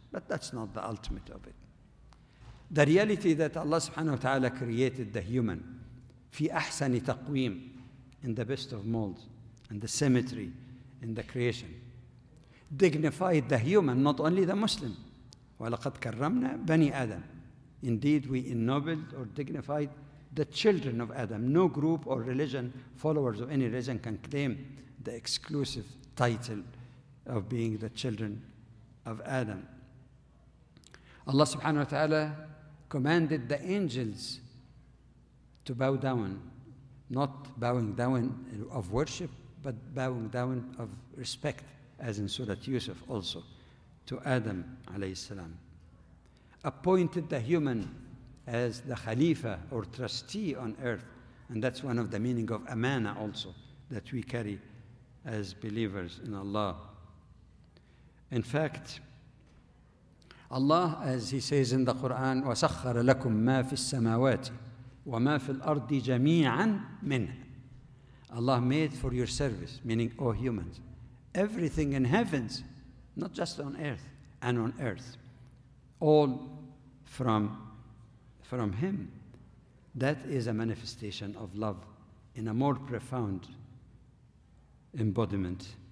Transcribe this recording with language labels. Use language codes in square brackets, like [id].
[en] But that's not the ultimate of it. The reality that Allah subhanahu wa ta'ala created the human [ar] fi ahsani taqweem, [en] in the best of molds, and the symmetry in the creation, dignified the human, not only the Muslim. [ar] وَلَقَدْ كَرَّمْنَا بَنِي Adam. [en] Indeed, we ennobled or dignified the children of Adam. No group or religion, followers of any religion, can claim the exclusive title of being the children of Adam. Allah subhanahu wa ta'ala commanded the angels to bow down, not bowing down of worship, but bowing down of respect, as in Surah Yusuf also, to Adam alayhi salam. Appointed the human as the khalifa or trustee on earth, and that's one of the meaning of amana also that we carry as believers in Allah. In fact, Allah, as he says in the Quran, [ar] وَسَخَّرَ لَكُمْ مَا فِي السَّمَاوَاتِ وَمَا فِي الْأَرْضِ جَمِيعًا مِنْهَا. [en] Allah made for your service, meaning all humans, everything in heavens, not just on earth, and on earth, all from him. That is a manifestation of love in a more profound embodiment.